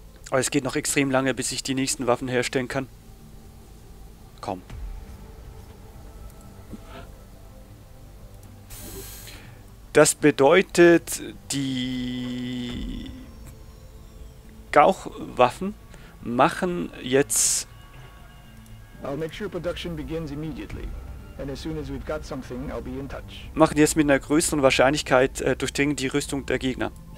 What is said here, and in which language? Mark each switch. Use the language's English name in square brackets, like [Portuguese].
[German] Aber es geht noch extrem lange, bis ich die nächsten Waffen herstellen kann. Komm. Das bedeutet, die Gauchwaffen machen jetzt... [English] I'll make sure production begins immediately. And as soon as we've got something, I'll be in touch. [German] Machen jetzt mit einer größeren Wahrscheinlichkeit durchdringen die Rüstung der Gegner.